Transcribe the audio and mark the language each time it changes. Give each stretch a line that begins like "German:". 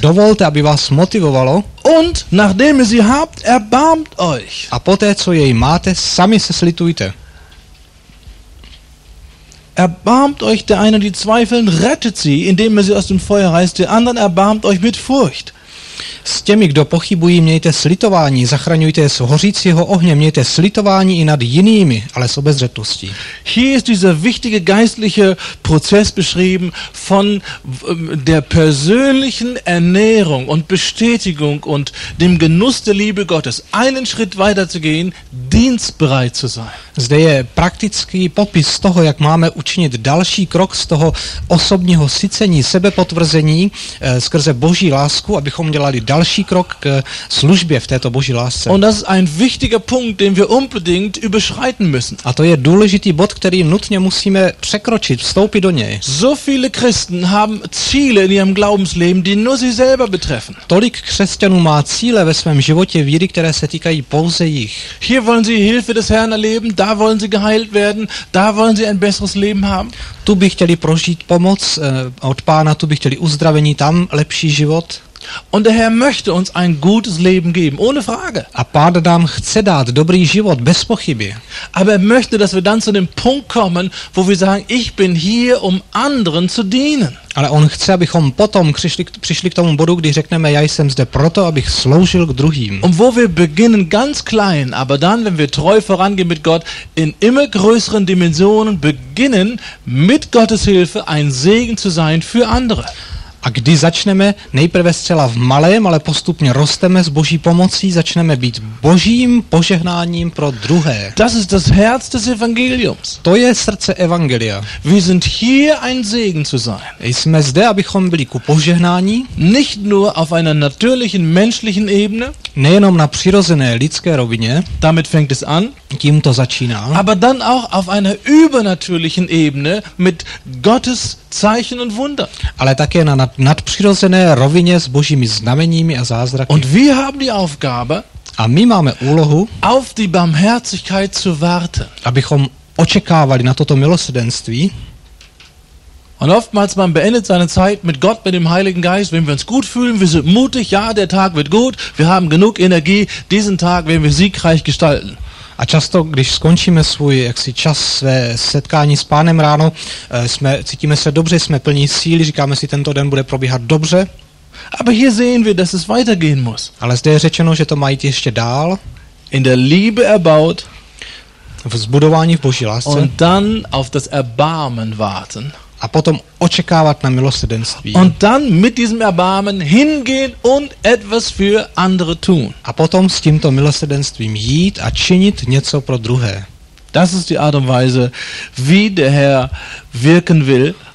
Czech: Dovolte, aby vás motivovalo.
German: Und nachdem ihr sie habt, erbarmt euch.
Czech: A poté, co jej máte, sami se slitujte.
German: Erbarmt euch der einen, die zweifeln, rettet sie, indem ihr sie aus dem Feuer reißt. Der anderen erbarmt euch mit Furcht.
Czech: S těmi, kdo pochybují, mějte slitování, zachraňujte je z hořícího ohně, mějte slitování i nad jinými, ale s obezřetností.
German: Hier ist dieser wichtige geistliche Prozess beschrieben von der persönlichen Ernährung und Bestätigung und dem Genuss der Liebe Gottes, einen Schritt weiter zu gehen, dienstbereit zu sein.
Czech: Zde je praktický popis toho, jak máme učinit další krok z toho osobního sycení, sebepotvrzení skrze Boží lásku, abychom dělali další krok k službě v této Boží lásce.
German: Und das ist ein wichtiger Punkt, den wir unbedingt überschreiten müssen.
Czech: A to je důležitý bod, který nutně musíme překročit, vstoupit do něj.
German: So viele Christen haben Ziele in ihrem Glaubensleben, die nur sie selber betreffen.
Czech: Tolik křesťanů má cíle ve svém životě víry, které se týkají pouze jich.
German: Hier wollen sie Hilfe des Herrn erleben, da wollen sie geheilt werden, da wollen sie ein besseres Leben haben.
Czech: Tu by chtěli prožít pomoc od Pána, tu by chtěli uzdravení, tam lepší život.
German: Und der Herr möchte uns ein gutes Leben geben, ohne Frage.
Czech: A Pán nám chce dát dobrý život, bez pochyby.
German: Aber er möchte, dass wir dann zu dem Punkt kommen, wo wir sagen, ich bin hier, um anderen zu dienen.
Czech: Ale on chce, abychom potom přišli k tomu bodu, kdy řekneme, já jsem zde proto, abych sloužil k druhým.
German: Und wo wir beginnen ganz klein, aber dann, wenn wir treu vorangehen mit Gott, in immer größeren Dimensionen beginnen, mit Gottes Hilfe ein Segen zu sein für andere.
Czech: A kdy začneme nejprve zcela v malém, ale postupně rosteme s Boží pomocí, začneme být Božím požehnáním pro druhé.
German: Das ist das Herz des Evangeliums.
Czech: To je srdce evangelia.
German: Wir sind hier ein Segen zu sein.
Czech: Jsme zde, abychom byli ku požehnání.
German: Nicht nur auf einer natürlichen menschlichen Ebene.
Czech: Nejenom na přirozené lidské rovině.
German: Damit fängt es an.
Czech: Tím to začíná.
German: Aber dann auch auf einer übernatürlichen Ebene mit Gottes Zeichen und Wunder.
Czech: Ale také na nadpřirozené rovině s Božími znameními a zázraky.
German: Und wir haben die Aufgabe,
Czech: a my máme úlohu,
German: auf die Barmherzigkeit zu warten.
Czech: Abychom očekávali na toto milosrdenství.
German: Und oftmals man beendet seine Zeit mit Gott, mit dem Heiligen Geist, wenn wir uns gut fühlen, wir sind mutig, ja, der Tag wird gut, wir haben genug Energie, diesen Tag werden wir siegreich gestalten.
Czech: A často, když skončíme svůj jaksi čas své setkání s Pánem ráno, cítíme se dobře, jsme plní síly, říkáme si, tento den bude probíhat dobře.
German: Aber hier sehen wir, dass es weitergehen muss.
Czech: Ale zde je řečeno, že to mají ještě dál.
German: In der Liebe erbaut.
Czech: V zbudování v Boží lásce.
German: Und dann auf das Erbarmen warten.
Czech: A potom očekávat na milosrdenství.
German: Und dann mit diesem Erbarmen hingehen und etwas für andere tun.
Czech: A potom s tímto milosrdenstvím jít a činit něco pro druhé.
German: Das ist die Art und Weise, wie der Herr wirken will.